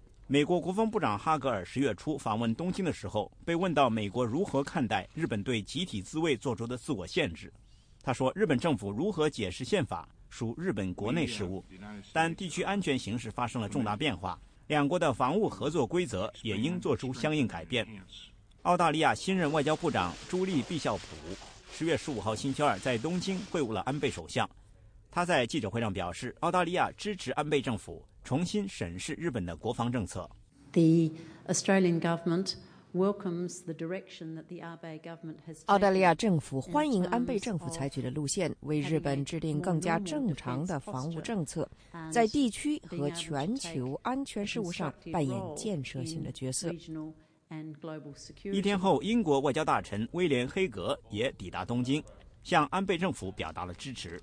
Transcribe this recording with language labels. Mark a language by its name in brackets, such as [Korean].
[Chinese] 美国国防部长哈格尔10月初访问东京的时候，被问到美国如何看待日本对集体自卫做出的自我限制，他说日本政府如何解释宪法属日本国内事务，但地区安全形势发生了重大变化，两国的防务合作规则也应做出相应改变。澳大利亚新任外交部长朱莉·毕肖普10月15日星期二在东京会晤了安倍首相，他在记者会上表示，澳大利亚支持安倍政府重新审视日本的国防政策。 [English] The Australian government welcomes the direction that the Abe government has taken. [Chinese] 澳大利亚政府欢迎安倍政府采取的路线，为日本制定更加正常的防务政策，在地区和全球安全事务上扮演建设性的角色。一天后，英国外交大臣威廉·黑格也抵达东京，向安倍政府表达了支持。